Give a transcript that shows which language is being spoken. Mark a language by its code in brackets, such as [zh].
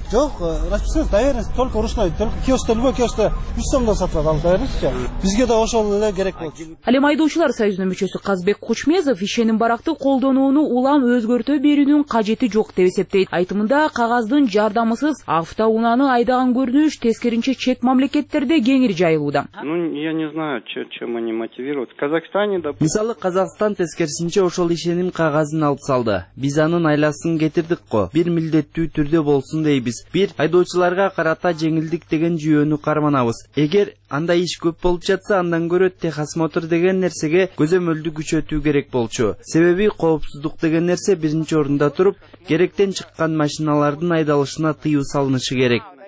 [ky] жок расписка доверенность [ru] только ручной только [ky] киоскте [ru] любой [ky] киоскте 100 сомдон сатып алат ал доверенностьчу бизге да ошол эле керек болчу. Ал эми айдоочулар союзунун мүчөсү Казбек Кучмезов ишеним баракты колдонууну улам өзгөртө берүүнүн кажети жок деп эсептейт. Айтымында кагаздын жардамысыз автоунааны айдаган көрүнүш тескерисинче чет мамлекеттерде кеңири жайылууда. [ru] Я не знаю чем они мотивируют. В Казахстане, допустим... [ky] Мисалы, Казахстан тескерсинче ошол ишеним кагазын алып салды. Биз анын айласын кетирдик ко. Бир милдеттүү түрдө болсун дейбиз. Бир, айдоочуларга карата жеңилдик деген жүйөнү карманабыз. Эгер анда иш көп болуп жатса, андан көрө техосмотр деген нерсеге көзөмөлдү күчөтүү керек болчу. Себеби коопсуздук деген нерсе биринчи орунда туруп, керектен чыккан машиналардын айдалышына тыюу салынышы керек.